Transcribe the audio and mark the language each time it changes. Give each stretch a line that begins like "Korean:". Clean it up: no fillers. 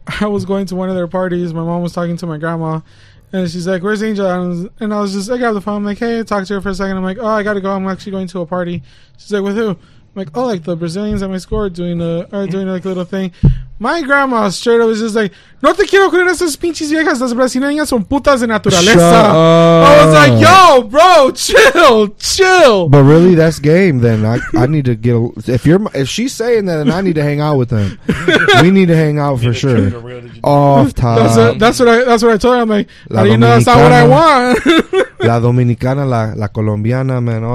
English: I was going to one of their parties. My mom was talking to my grandma, and she's like, "Where's Angel?" I grabbed the phone. I'm like, "Hey, talk to her for a second." I'm like, "Oh, I got to go. I'm actually going to a party." She's like, "With who?" I'm like, "Oh, like the Brazilians at my school are doing like a little thing." My grandma straight up was just like,
Spanish: "No te quiero creer esas pinches viejas. Las brasileñas son putas de naturaleza."
English: Shut up. I was like, "Yo, bro, chill." But really, that's game. Then I need to get if she's saying that, then I need to hang out with them. We need to hang out for sure. Off top. That's what I told her. I'm like, "How do you know that's not what I want?"
Spanish: La dominicana, la colombiana, man.